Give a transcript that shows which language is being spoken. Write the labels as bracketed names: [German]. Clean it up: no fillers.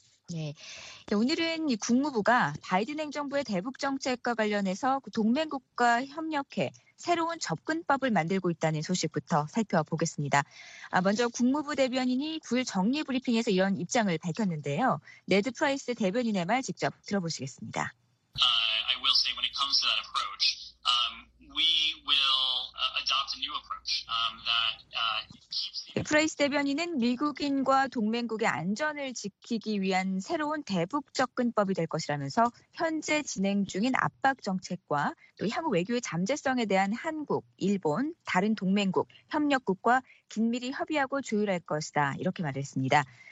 [Korean] 네, 오늘은 국무부가 바이든 행정부의 대북 정책과 관련해서 동맹국과 협력해 새로운 접근법을 만들고 있다는 소식부터 살펴보겠습니다. 먼저 국무부 대변인이 9일 정례 브리핑에서 이런 입장을 밝혔는데요. 네드 프라이스 대변인의 말 직접 들어보시겠습니다. [English] I will say when it comes to that approach, we will adopt a new approach that keeps. [Korean] 프라이스 대변인은 미국인과 동맹국의 안전을 지키기 위한 새로운 대북 접근법이 될 것이라면서 현재 진행 중인 압박 정책과 또 향후 외교의 잠재성에 대한 한국, 일본, 다른 동맹국, 협력국과 긴밀히 협의하고 조율할 것이다 이렇게 말했습니다.